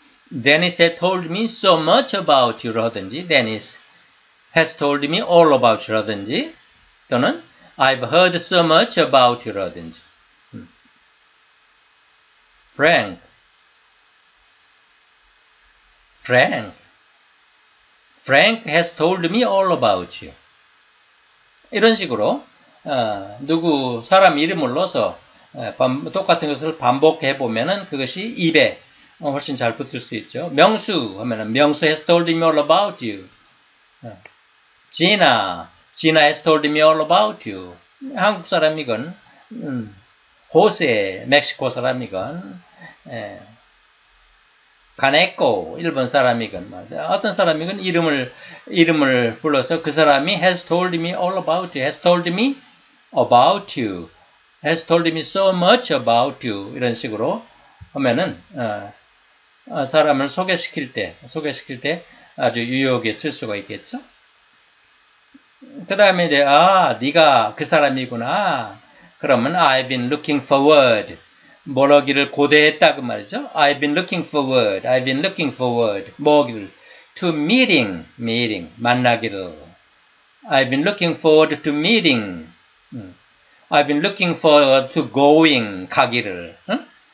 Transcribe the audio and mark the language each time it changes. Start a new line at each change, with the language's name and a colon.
English: Dennis has told me so much about you
Korean: 라든지
English: Dennis has told me all about you 라든지 또는 I've heard so much about you 라든지 Frank has told me all about you.
Korean: 이런 식으로 누구 사람 이름을 넣어서 똑같은 것을 반복해 보면은 그것이 입에 훨씬 잘 붙을 수 있죠.
English: 명수
Korean: 하면은
English: 명수 has told me all about you. 진아 has told me all about you.
Korean: 한국 사람이건 호세 멕시코 사람이건 가네코 일본 사람이건 어떤 사람이건 이름을 불러서 그 사람이
English: has told me all about you, has told me about you, has told me so much about you
Korean: 이런 식으로 하면은 사람을 소개시킬 때 아주 유용하게 쓸 수가 있겠죠. 그 다음에 이제 아 네가 그 사람이구나 그러면
English: I've been looking forward.
Korean: 뭐라기를 고대했다 그 말이죠.
English: I've been looking forward
Korean: 뭐기를
English: to meeting
Korean: 만나기를
English: I've been looking forward to going
Korean: 가기를 응?